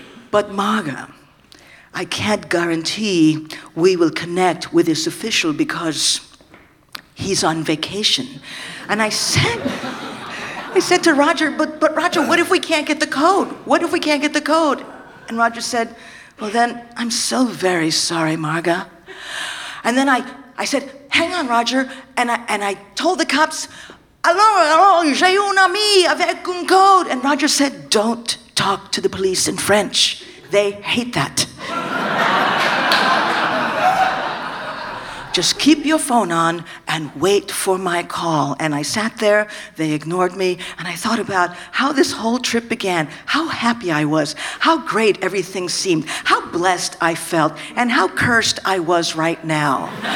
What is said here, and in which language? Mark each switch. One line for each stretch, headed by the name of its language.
English: But Marga, I can't guarantee we will connect with this official because he's on vacation." And I said to Roger, but Roger, what if we can't get the code? What if we can't get the code? And Roger said, "Well then, I'm so very sorry, Marga." And then I said, "Hang on, Roger." And I told the cops,
French: "Alors, alors, j'ai un ami avec un code."
English: And Roger said, "Don't talk to the police in French. They hate that. Just keep your phone on and wait for my call." And I sat there, they ignored me, and I thought about how this whole trip began, how happy I was, how great everything seemed, how blessed I felt, and how cursed I was right now.